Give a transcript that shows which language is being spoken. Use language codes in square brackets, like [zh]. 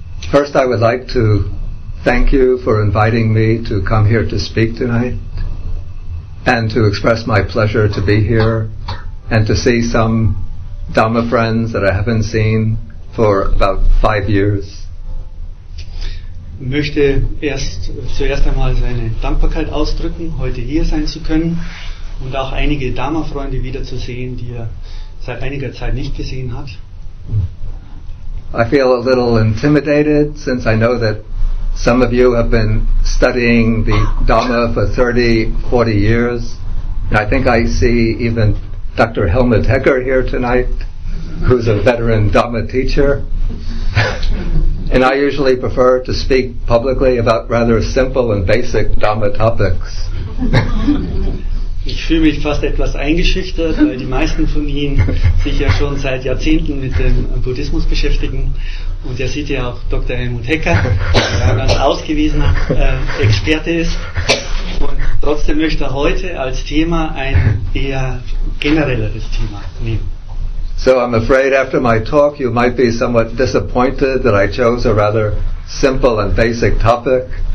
[en] First, I would like to thank you for inviting me to come here to speak tonight and to express my pleasure to be here and to see some Dhamma friends that I haven't seen for about 5 years. [de] Ich möchte zuerst einmal seine Dankbarkeit ausdrücken, heute hier sein zu können und auch einige Dhamma-Freunde wiederzusehen, die er seit einiger Zeit nicht gesehen hat. [en] I feel a little intimidated since I know that some of you have been studying the Dhamma for 30, 40 years. And I think I see even Dr. Helmut Hecker here tonight, who's a veteran Dhamma teacher. And I usually prefer to speak publicly about rather simple and basic Dhamma topics. [de] Ich fühle mich fast etwas eingeschüchtert, weil die meisten von Ihnen sich ja schon seit Jahrzehnten mit dem Buddhismus beschäftigen. Und er sieht ja auch Dr. Helmut Hecker, der ein ganz ausgewiesener Experte ist. Und trotzdem möchte er heute als Thema ein eher generelleres Thema nehmen. [en] So I'm afraid after my talk you might be somewhat disappointed that I chose a rather simple and basic topic.